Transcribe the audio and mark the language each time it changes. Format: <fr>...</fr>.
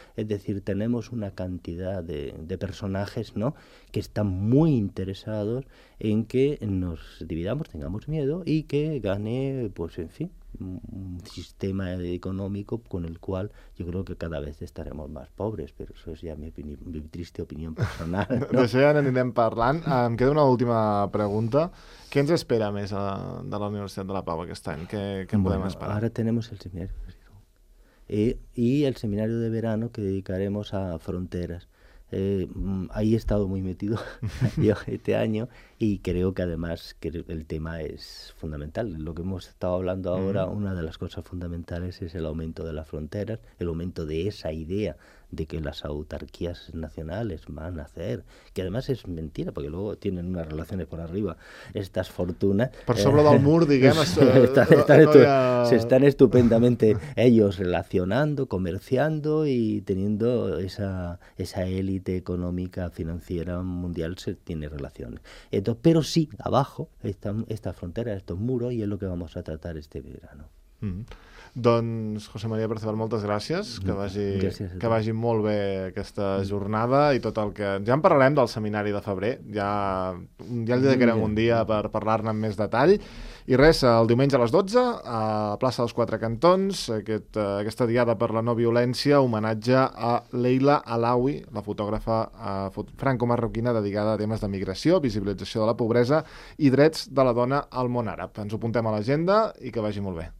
<es>Es decir, tenemos una cantidad de personajes, ¿no?, que están muy interesados en que nos dividamos, tengamos miedo y que gane, pues en fin, un sistema económico con el cual yo creo que cada vez estaremos más pobres, pero eso es ya mi triste opinión personal, ¿no?</es> <ca>D'això ja n'anirem parlant. Em queda una última pregunta. Què ens espera més de la Universitat de la Pau aquest any? Què podem esperar?</ca> <es>Ahora tenemos el seminario. Y el seminario de verano que dedicaremos a fronteras. Ahí he estado muy metido yo este año y creo que además que el tema es fundamental. Lo que hemos estado hablando ahora, una de las cosas fundamentales es el aumento de las fronteras, el aumento de esa idea de que las autarquías nacionales van a hacer, que además es mentira, porque luego tienen unas relaciones por arriba, estas fortunas. Por sobre del mur, digamos. Se están estupendamente ellos relacionando, comerciando y teniendo esa élite económica financiera mundial, se tiene relaciones. Entonces, pero sí, abajo están estas fronteras, estos muros, y es lo que vamos a tratar este verano.</es> <ca>Doncs, José María Perceval, moltes gràcies. Que vagi molt bé aquesta jornada i tot el que... Ja en parlarem del seminari de febrer. Ja el dedicarem un dia per parlar-ne amb més detall. I res, el diumenge a les 12, a plaça dels Quatre Cantons, aquesta diada per la no violència, homenatge a Leila Alawi, la fotògrafa franco-marroquina dedicada a temes de migració, visibilització de la pobresa i drets de la dona al món àrab. Ens ho apuntem a l'agenda i que vagi molt bé.</ca>